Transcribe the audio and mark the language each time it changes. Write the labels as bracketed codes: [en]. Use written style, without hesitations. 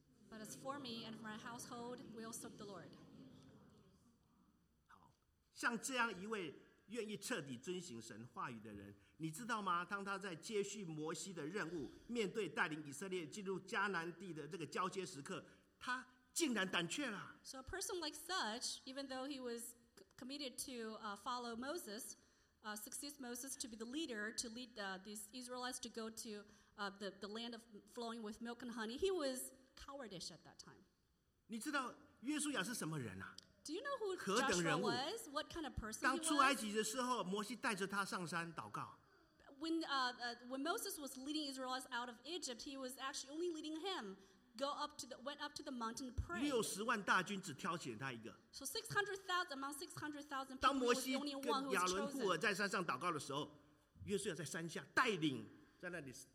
[en] But as for me and my household, we will serve the Lord. [zh] 好，像这样一位愿意彻底遵行神话语的人，你知道吗？当他在接续摩西的任务，面对带领以色列进入迦南地的这个交接时刻，他竟然胆怯了。 [en] So a person like such, even though he was committed to follow Moses, succeed Moses to be the leader to lead these Israelites to go to. The land of flowing with milk and honey. He was cowardish at that time. [zh] 你知道约书亚是什么人啊？ [en] Do you know who Joshua was? What kind of person he was? [zh] 当出埃及的时候，摩西带着他上山祷告。 [en] When Moses was leading Israelites out of Egypt, he was actually only leading him went up to the mountain to pray. [zh] 六十万大军只挑选他一个。 [en] So 600,000 among 600,000 people was the only one who was chosen. [zh] 当摩西跟亚伦、库尔在山上祷告的时候，约书亚在山下带领在那里。